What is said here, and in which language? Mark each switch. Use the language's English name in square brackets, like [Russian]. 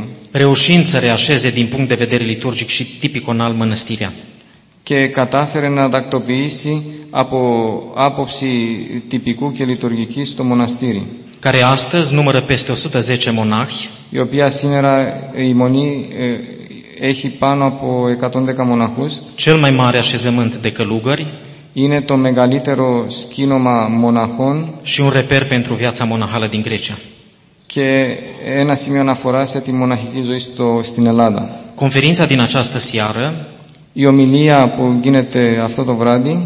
[Romanian] Reușind să reașeze din punct de vedere liturgic și tipiconal mănăstirea. [Greek] Και κατάφερε να τακτοποιήσει από άποψη τυπικού και λειτουργική στο μοναστήρι. [Romanian] Care astăzi numără peste 110 monahi. [Greek] Η οποία σήμερα η μονή έχει πάνω από 110 μοναχούς. [Romanian] Cel mai mare așezământ de călugări. [Greek] Είναι το μεγαλύτερο σκήνομα μοναχών. [Romanian] Și un reper pentru viața monahală din Grecia. [Greek] Και ένα σημείο αναφοράς για τη μοναχική ζωή στην Ελλάδα. [Romanian] Conferința din această seară. [Greek] Η ομιλία που γίνεται αυτό το βράδυ.